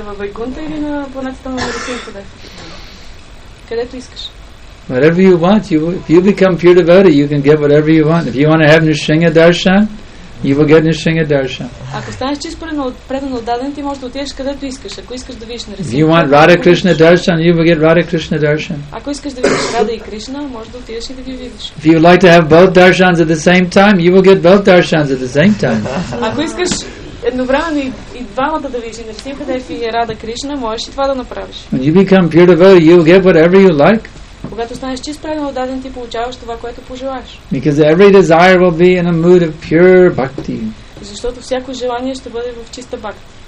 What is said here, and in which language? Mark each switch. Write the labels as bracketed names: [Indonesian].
[Bulgarian] Във Вайкунта или на планетата на Нарисимхадев? Където искаш. [English] Whatever you want. If you become pure devotee, you can get whatever you want. If you want to have Nrisimha Darshan, you will get Nrisimha Darshan. [Bulgarian] Ако станеш чист предан отдаден, ти можеш да отидеш където искаш. Ако искаш да видиш Нарисимхадев. [English] If you want Radha Krishna Darshan, you will get Radha Krishna Darshan. [Bulgarian] Ако искаш да видиш Радха и Кришна, можеш да отидеш и да ги видиш. [English] If you like to have both Darshans at the same time, you will get both Darshans at the same time. [Bulgarian] Ако искаш едновременно и двамата да видиш Нарисимхадев и Радха Кришна, можеш и това да направиш. [English] When you become pure devotee, you will get whatever you like. [Bulgarian] Когато станеш чист, правилно даден, ти получаваш това, което пожелаш. [English] Because every desire will be in a mood of pure bhakti. [Bulgarian] Защото всяко желание ще бъде в чиста бхакти.